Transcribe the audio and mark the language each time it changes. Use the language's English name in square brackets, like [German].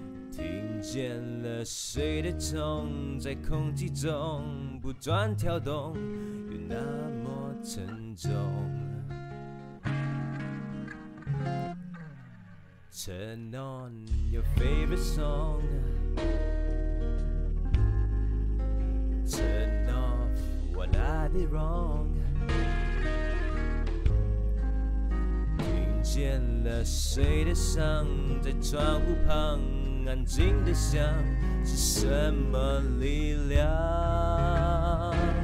[Chinese] 听见了谁的痛在空气中不断跳动，有那么沉重。 [English] Turn on your favorite song. Turn off what I did wrong. [Chinese] 听见了谁的伤在窗户旁安静的想，是什么力量？